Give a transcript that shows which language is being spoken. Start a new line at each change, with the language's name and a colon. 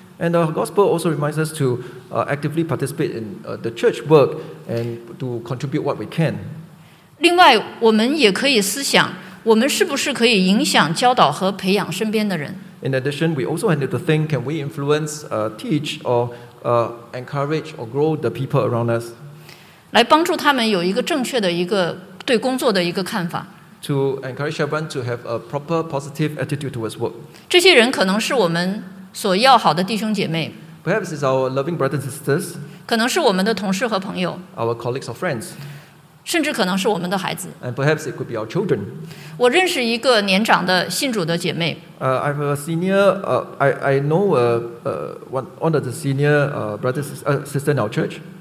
English: And the gospel also reminds us to actively participate in the church work and to contribute what we can.
Chinese: 另外，我们也可以思想，我们是不是可以影响、教导和培养身边的人。
English: In addition, we also need to think, can we influence, teach, or encourage or grow the people around us?
Chinese: 来帮助他们有一个正确的一个对工作的一个看法。
English: To encourage everyone to have a proper positive attitude towards work.
Chinese: 这些人可能是我们所要好的弟兄姐妹。
English: Perhaps it's our loving brothers and sisters.
Chinese: 可能是我们的同事和朋友。
English: Our colleagues or friends.
Chinese: 甚至可能是我们的孩子。
English: And perhaps it could be our children.
Chinese: 我认识一个年长的信主的姐妹。
English: I have a senior. I know one of the senior brothers sister in our church.